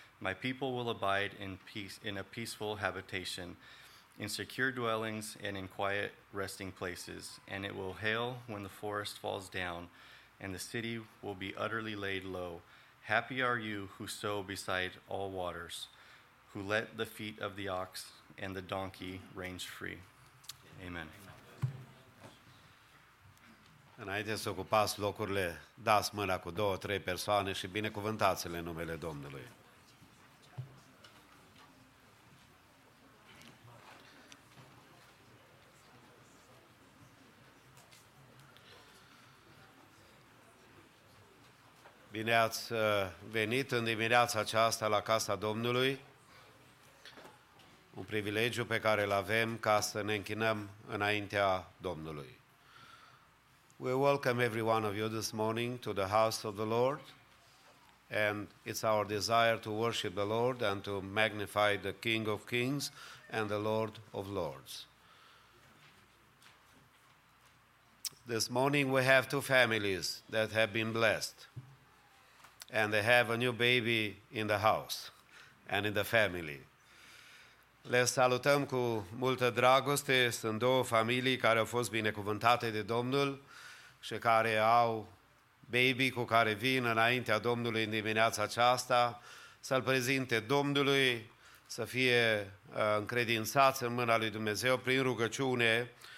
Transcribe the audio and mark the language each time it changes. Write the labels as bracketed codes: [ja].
[en] My people will abide in peace, in a peaceful habitation, in secure dwellings and in quiet resting places. And it will hail when the forest falls down, and the city will be utterly laid low. Happy are you who sow beside all waters, who let the feet of the ox and the donkey range free. Amen. [ro] Înainte să ocupați locurile, dați mâna cu două, trei persoane și binecuvântați-le în numele Domnului. Bine ați venit în dimineața aceasta la Casa Domnului. Un privilegiu pe care îl avem ca să ne închinăm înaintea Domnului. [en] We welcome every one of you this morning to the house of the Lord, and it's our desire to worship the Lord and to magnify the King of Kings and the Lord of Lords. This morning we have two families that have been blessed, and they have a new baby in the house and in the family. [ro] Le salutăm cu multă dragoste. Sunt două familii care au fost binecuvântate de Domnul și care au baby cu care vin înaintea Domnului în dimineața aceasta, să-l prezinte Domnului, să fie încredințați în mâna lui Dumnezeu prin rugăciune.